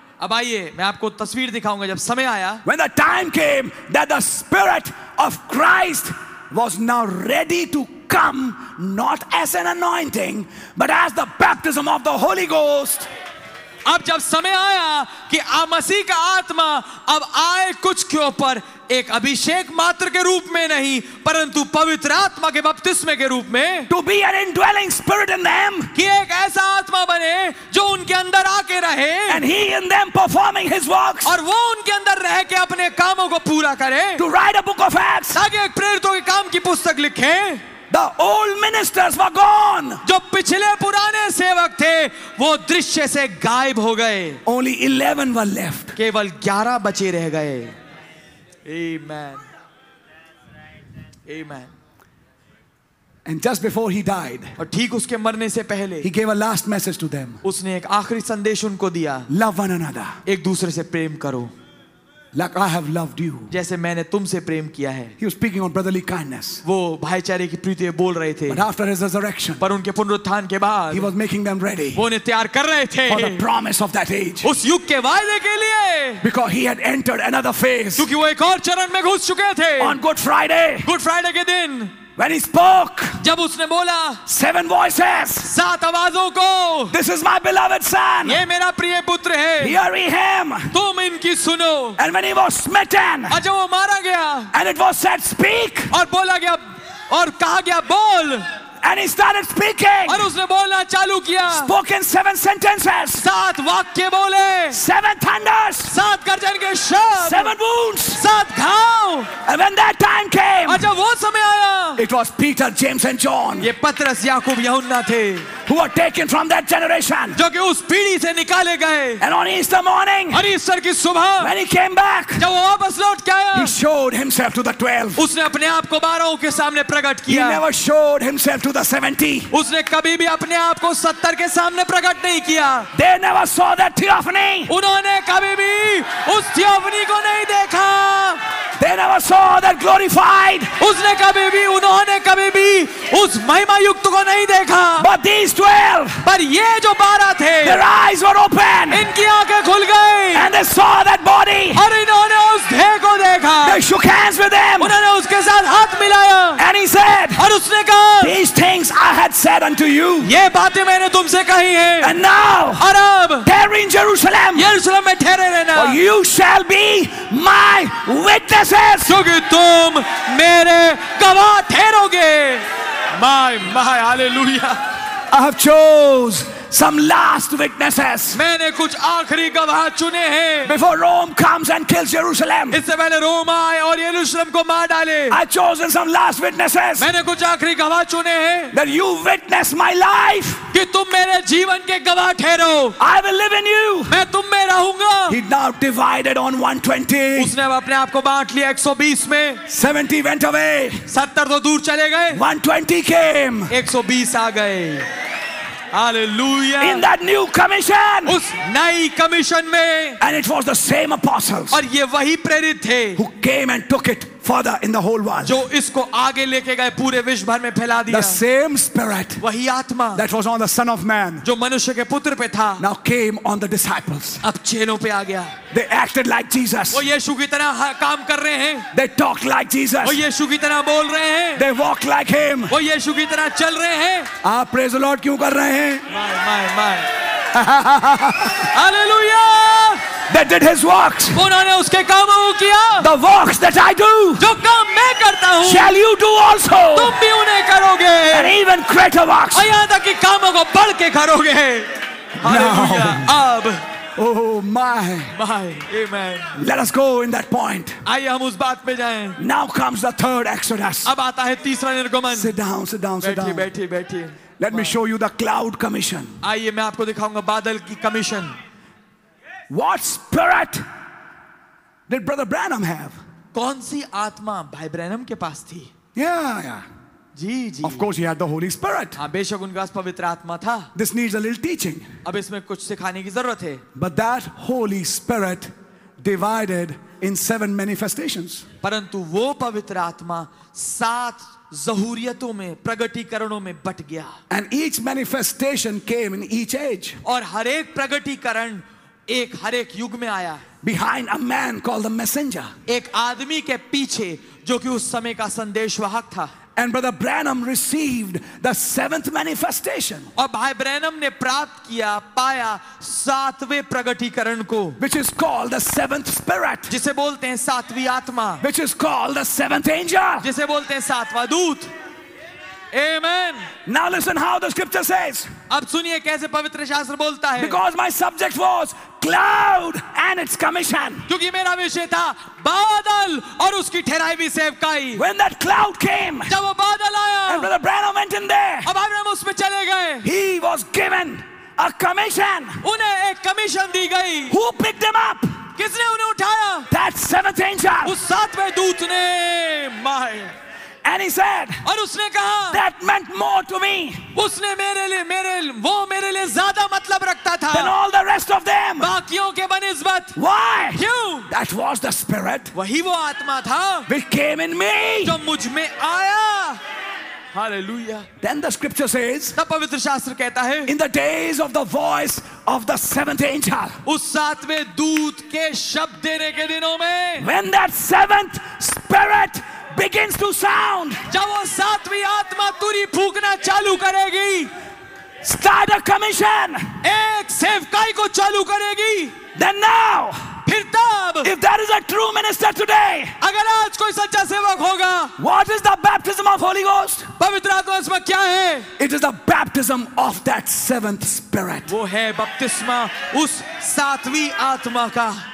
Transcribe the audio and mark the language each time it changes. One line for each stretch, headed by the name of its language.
Hindi: अब आइए मैं आपको तस्वीर दिखाऊंगा जब समय आया.
English: When the time came that the Spirit of Christ was now ready to come, not as an anointing, but as the baptism of the Holy Ghost.
Hindi: अब जब समय आया कि आ मसीह का आत्मा अब आए कुछ के ऊपर एक अभिषेक मात्र के रूप में नहीं परंतु पवित्र आत्मा के बपतिस्मे के रूप में.
English: To be an indwelling spirit in them.
Hindi: कि एक ऐसा आत्मा बने जो उनके अंदर आके रहे.
English: And he in them performing his works.
Hindi: और वो उनके अंदर रह के अपने कामों को पूरा करे.
English: To write a book of acts.
Hindi: ताकि एक प्रेरितों के काम की पुस्तक लिखे.
English: The old ministers were gone.
Hindi: जो पिछले पुराने सेवक थे वो दृश्य से गायब हो गए.
English: Only 11 were left.
Hindi: केवल 11 बचे रह गए. Amen. Amen.
English: And just before he died,
Hindi: और ठीक उसके मरने से पहले,
English: he gave a last message to them.
Hindi: उसने एक आखिरी संदेश उनको दिया.
English: Love one another.
Hindi: एक दूसरे से प्रेम करो.
English: Like I have loved you.
Hindi: जैसे मैंने तुमसे प्रेम किया है.
English: He was speaking on brotherly kindness.
Hindi: वो भाईचारे की प्रीति बोल रहे थे.
English: But after his resurrection,
Hindi: पर उनके पुनरुत्थान के बाद,
English: he was making them ready.
Hindi: वो उन्हें तैयार कर रहे थे.
English: For the promise of that age.
Hindi: उस युग के वायदे के लिए.
English: Because he had entered another phase.
Hindi: क्योंकि वो एक और चरण में घुस चुके थे.
English: On Good Friday.
Hindi: Good Friday के दिन.
English: When he spoke,
Hindi: जब उसने बोला,
English: seven voices,
Hindi: सात आवाजों को,
English: this is my beloved son,
Hindi: ये मेरा प्रिय पुत्र है,
English: hear him,
Hindi: तुम इनकी सुनो,
English: and when he was smitten,
Hindi: और जब वो मारा गया,
English: and it was said, speak,
Hindi: और बोला गया, और कहा गया, बोल,
English: and he started speaking,
Hindi: और उसने बोलना चालू किया,
English: spoken seven sentences,
Hindi: सात वाक्य बोले,
English: seven thunders,
Hindi: सात गर्जन के शब्द,
English: seven wounds,
Hindi: सात घाव,
English: and when that time came,
Hindi: और जब वो समय आया.
English: It was Peter, James, and John.
Hindi: ये पत्रस, याकूब, यहूदा थे.
English: Who were taken from that generation?
Hindi: जो कि उस पीढ़ी से निकाले गए.
English: And on Easter morning,
Hindi: और ईस्टर की सुबह,
English: when he came back,
Hindi: जब वो वापस लौट के आया,
English: he showed himself to the 12.
Hindi: उसने अपने आप को बारहों के सामने प्रकट किया.
English: He never showed himself to the 70.
Hindi: उसने कभी भी अपने आप को 70 के सामने प्रकट नहीं किया.
English: They never saw that theophany.
Hindi: उन्होंने कभी भी उस theophany को नहीं देखा.
English: They never saw that glorified.
Hindi: उसने कभी भी उन्होंने कभी भी उस महिमा युक्त को नहीं देखा.
English: But these 12,
Hindi: पर ये जो 12 थे,
English: their eyes were open.
Hindi: इनकी आंखें खुल गई.
English: And they saw that body.
Hindi: और इन्होंने उस देह को देखा.
English: They shook hands with them.
Hindi: उन्होंने उसके साथ हाथ मिलाया.
English: And he said,
Hindi: और उसने कहा,
English: these things I had said unto you.
Hindi: ये बातें मैंने तुमसे कही हैं.
English: And now,
Hindi: और अब,
English: tarry in Jerusalem.
Hindi: यरूशलेम में ठहरे रहना.
English: For you shall be my witnesses.
Hindi: क्योंकि तुम मेरे गवाह ठहरोगे.
English: My, my, hallelujah. I have chose some last witnesses.
Hindi: मैंने कुछ आखिरी गवाह चुने हैं.
English: Before Rome comes and kills Jerusalem.
Hindi: इससे पहले रोम आए और यरूशलेम को मार डाले.
English: I chosen some last witnesses.
Hindi: मैंने कुछ आखिरी गवाह चुने हैं.
English: That you witness my life.
Hindi: कि तुम मेरे जीवन के गवाह ठहरो.
English: I will live in you.
Hindi: मैं तुम में रहूंगा.
English: He now divided on 120.
Hindi: उसने अपने आप को बांट लिया 120 में.
English: 70 went away.
Hindi: 70 तो दूर चले गए.
English: 120 came.
Hindi: 120 आ गए. Hallelujah.
English: In that new commission.
Hindi: उस नई कमीशन में.
English: And it was the same apostles.
Hindi: और ये वही प्रेरित थे.
English: Who came and took it further in the whole world.
Hindi: जो इसको आगे लेके गए पूरे विश्व भर में फैला दिया.
English: The same spirit.
Hindi: वही आत्मा.
English: That was on the Son of Man.
Hindi: जो मनुष्य के पुत्र पे था.
English: Now came on the disciples.
Hindi: अब चेलों पे आ गया.
English: They acted like Jesus.
Hindi: वो यीशु की तरह काम कर रहे हैं.
English: They talked like Jesus.
Hindi: वो यीशु की तरह बोल रहे हैं.
English: They walked like him.
Hindi: वो यीशु की तरह चल रहे हैं. आप
English: praise the Lord
Hindi: क्यों कर रहे हैं?
English: My, my, my. Hallelujah. That did his works.
Hindi: उन्होंने उसके कामों को किया.
English: The works that I do.
Hindi: जो काम मैं करता हूँ.
English: Shall you do also?
Hindi: तुम भी उन्हें करोगे.
English: And even greater works.
Hindi: और यहाँ तक कि कामों को बढ़ के करोगे.
English: Hallelujah.
Hindi: अब
English: Oh my. My. Amen. Let us go in that point.
Hindi: आइए हम उस बात पे जाएं.
English: Now comes the third exodus.
Hindi: अब आता है तीसरा निर्गमन.
English: Sit down, sit down, sit down.
Hindi: बैठिए, बैठिए.
English: Let me show you the cloud commission.
Hindi: आइए मैं आपको दिखाऊंगा बादल की commission.
English: What spirit did Brother Branham have?
Hindi: कौन सी आत्मा भाई ब्रैनम के पास थी?
English: Yeah, yeah.
Hindi: Ji ji.
English: Of course, he had the Holy Spirit.
Hindi: हाँ, बेशक उनका पवित्र आत्मा था.
English: This needs a little teaching.
Hindi: अब इसमें कुछ सिखाने की जरूरत है.
English: But that Holy Spirit divided in seven manifestations.
Hindi: परंतु वो पवित्र आत्मा सात जहूरियतों में प्रगटीकरणों में बट गया.
English: And each manifestation came in each age.
Hindi: और हर एक प्रगटीकरण एक हर एक युग में आया
English: behind a man called a messenger
Hindi: एक आदमी के पीछे जो कि उस समय का संदेशवाहक था
English: And Brother Branham received the seventh manifestation.
Hindi: और भाई ब्रैनम ने प्राप्त किया पाया सातवें प्रगटीकरण को
English: which is called the seventh spirit.
Hindi: जिसे बोलते हैं सातवीं आत्मा
English: which is called the seventh angel.
Hindi: जिसे बोलते हैं सातवां दूत Amen.
English: Now listen how the scripture says.
Hindi: अब सुनिए कैसे पवित्र शास्त्र बोलता है.
English: Because my subject was cloud and its commission.
Hindi: क्योंकि मेरा विषय था बादल और उसकी ठहराई भी सेवकाई.
English: When that cloud came.
Hindi: जब वो बादल आया.
English: And Brother Branham went in there.
Hindi: अब ब्रैनम उसमें चले गए.
English: He was given a commission.
Hindi: उन्हें एक कमीशन दी गई.
English: Who picked him up?
Hindi: किसने उन्हें उठाया?
English: That seventh angel.
Hindi: उस सातवें दूत ने. My.
English: And he said,
Hindi: और उसने कहा,
English: that meant more to me.
Hindi: उसने मेरे लिए मेरे वो मेरे लिए ज़्यादा मतलब रखता था.
English: Than all the rest of them.
Hindi: बाकियों के बनिस्बत.
English: Why?
Hindi: क्यों?
English: That was the spirit.
Hindi: वही वो आत्मा था.
English: Which came in me.
Hindi: जो मुझ में आया. Hallelujah.
English: Then the scripture says.
Hindi: तब पवित्र शास्त्र कहता है.
English: In the days of the voice of the seventh angel.
Hindi: उस सातवें दूत के शब्द देने के दिनों में.
English: When that seventh spirit. Begins to sound.
Hindi: जब वो सातवीं आत्मा तुरी फूकना चालू करेगी.
English: Start a commission.
Hindi: एक सेवकाई को चालू करेगी.
English: Then now.
Hindi: फिर तब.
English: If there is a true minister today.
Hindi: अगर आज कोई सच्चा सेवक होगा.
English: What is the baptism of Holy Ghost?
Hindi: पवित्र आत्मा इसमें क्या है?
English: It is the baptism of that seventh spirit.
Hindi: वो है बपतिस्मा उस सातवीं आत्मा का.